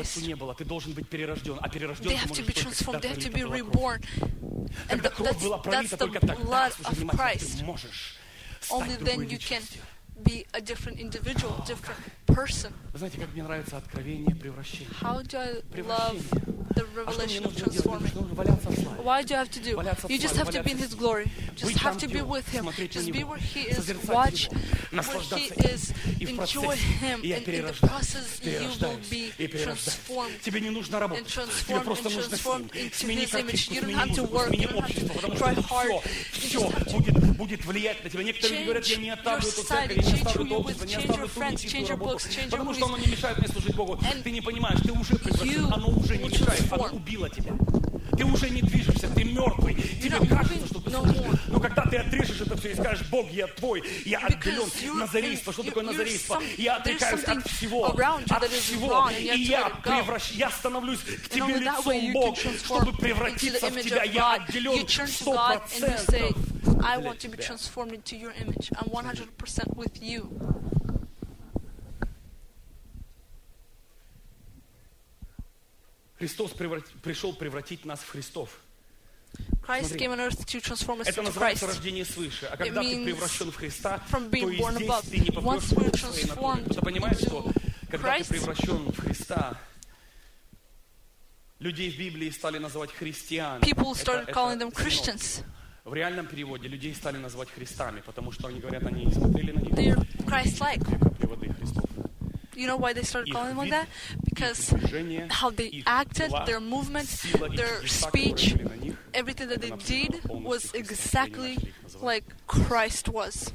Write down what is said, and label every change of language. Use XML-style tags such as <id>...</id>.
<ru>Доступа не было. Ты должен быть перерожден. А перерожден ты можешь только когда пролита была кровь.</ru> <en>They have to be reborn.</en> <ru>Когда кровь была пролита, только тогда ты можешь стать другой личностью.</ru> <en>Only then you can be a different individual, different person.</en> <ru>Вы знаете, как мне нравится откровение превращения.</ru> <en>How do I love the revelation of transformation? Why do you have to do? You just have to be in His glory. Just have to be with Him. Just be where He is. Watch where He is. Enjoy Him. And in the process, you will be transformed.</en> <ru>Тебе не нужно работать. Тебе просто нужно сменить карточку.</ru> <en>You don't have to work. You don't have to try hard.</en> <ru>Все будет влиять на тебя. Некоторые говорят, я не оставлю эту церковь, я не оставлю должность, я не оставлю трудности, свою работу. Потому что оно не мешает мне служить Богу. Ты не понимаешь, ты уже превратился, оно уже не мешает, оно убило тебя. Ты уже не движешься, ты мертвый. Тебе кажется, что ты служишь. Но когда ты отрежешь это все и скажешь, Бог, я твой, я отделен. Назарейство, что такое назарейство? Я отрекаюсь от всего, И я становлюсь к тебе лицом, Бог, чтобы превратиться в тебя. Я отделен 100%.</ru> <en>I want to be transformed into your image. I'm 100% with you.</en> <ru>Христос пришел превратить нас в Христов.</ru> <en>Christ came on earth to transform us into Christ.</en> <ru>Это называется рождение свыше. А когда ты превращен в Христа, то и здесь ты не попрешь в своей натуре. Кто-то понимает, что когда ты превращен в Христа, людей в Библии стали называть христиан.</ru> <en>People started calling them Christians.</en> <ru>В реальном переводе людей стали называть христами, потому что они говорят, они смотрели на них.</ru> <en>They're Christ-like.</en> <ru>Переводы Христов.</ru> <en>You know why they started calling them like that? Because how they acted, their movement, their speech, everything that they did was exactly like Christ was.</en>